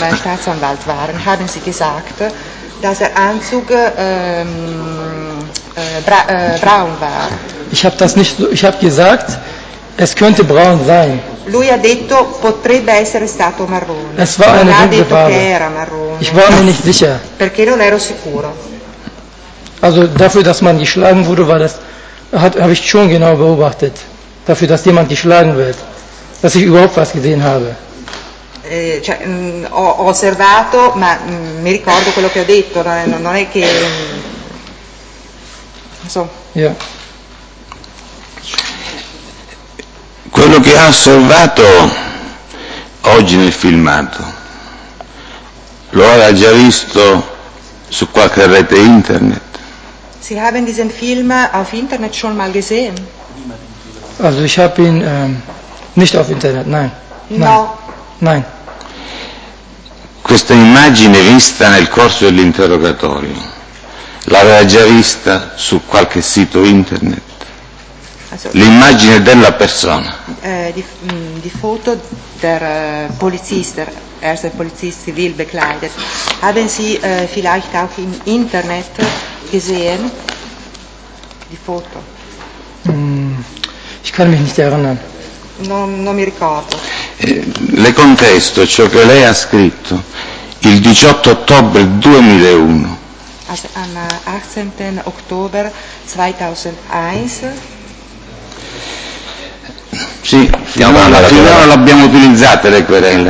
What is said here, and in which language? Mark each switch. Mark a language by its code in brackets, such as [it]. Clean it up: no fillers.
[de] Wenn wir Staatsanwalt waren, haben Sie gesagt, dass der Anzug braun war. Ich habe das nicht, ich habe gesagt, es könnte braun sein. [it] Lui ha detto potrebbe essere stato marrone. [de] Es war eine [it] non ha detto [de] Farbe. [it] Che era marrone. [de] Ich war mir nicht sicher. [it] Perché non ero sicuro. [de] Also dafür, dass man geschlagen wurde, war das, habe ich schon genau beobachtet. Dafür, dass jemand geschlagen wird, dass ich überhaupt was gesehen habe. [it] Cioè, ho osservato, ma mi ricordo quello che ho detto. Non è che. So. Yeah. Quello che ha osservato oggi nel filmato lo aveva già visto su qualche rete internet? [de] Sie haben diesen Film auf Internet schon mal gesehen? Also ich habe ihn nicht auf Internet, nein. [it] No. [de] Nein. [it] Questa immagine vista nel corso dell'interrogatorio l'aveva già vista su qualche sito internet? L'immagine della persona. [de] Die Foto der Polizisten, erste Polizist zivil bekleidet. Haben Sie vielleicht auch im Internet gesehen? Die Foto. Ich kann mich nicht erinnern. [it] Non mi ricordo. Le contesto ciò che lei ha scritto il 18 ottobre 2001. [de] Also am 18. Oktober 2001. [it] Sì, finora l'abbiamo utilizzata le querelle.